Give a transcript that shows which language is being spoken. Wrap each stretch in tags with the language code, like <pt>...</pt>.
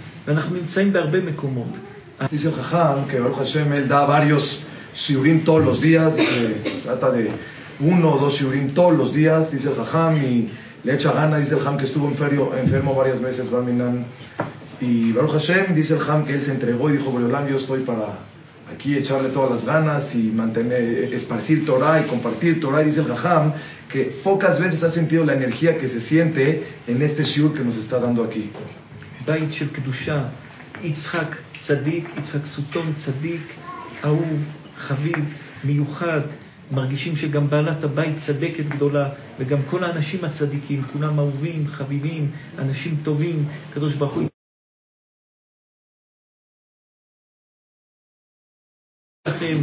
<he>ואנחנו נמצאים בהרבה מקומות.</he> <es>Dice el jajam que Baruch Hashem él da varios shiurim todos los días, dice, trata de uno o dos shiurim todos los días, dice el jajam, y le echa gana, dice el jajam que estuvo enfermo varias veces, Barminan, y Baruch Hashem, dice el jajam que él se entregó y dijo, Boreolam, yo estoy para aquí echarle todas las ganas y mantener, esparcir Torah y compartir Torah, y dice el jajam que pocas veces ha sentido la energía que se siente en este shiur que nos está dando aquí.</es> <he>Bait shel kedusha, Yitzhak צדיק, יצחק סוטון צדיק, אהוב, חביב, מיוחד, מרגישים שגם בעלת הבית צדקת גדולה, וגם כל האנשים הצדיקים, כולם אהובים, חביבים, אנשים טובים, קדוש ברוך הוא.</he>